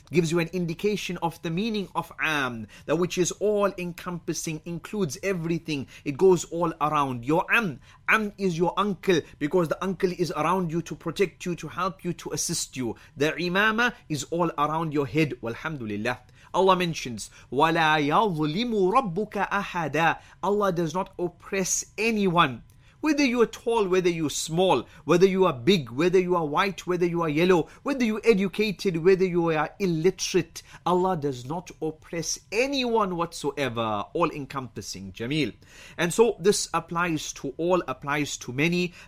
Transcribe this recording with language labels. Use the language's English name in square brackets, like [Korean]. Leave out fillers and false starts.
[English] Gives you an indication of the meaning of am, that which is all encompassing, includes everything. It goes all around. Your am, am is your uncle, because the uncle is around you to protect you, to help you, to assist you. The imama is all around your head. Walhamdulillah. Allah mentions, [Arabic] وَلَا يَظْلِمُ رَبُّكَ أَحَدًا. [English] Allah does not oppress anyone. Whether you are tall, whether you are small, whether you are big, whether you are white, whether you are yellow, whether you are educated, whether you are illiterate, Allah does not oppress anyone whatsoever. All encompassing, Jameel. And so this applies to all, applies to many.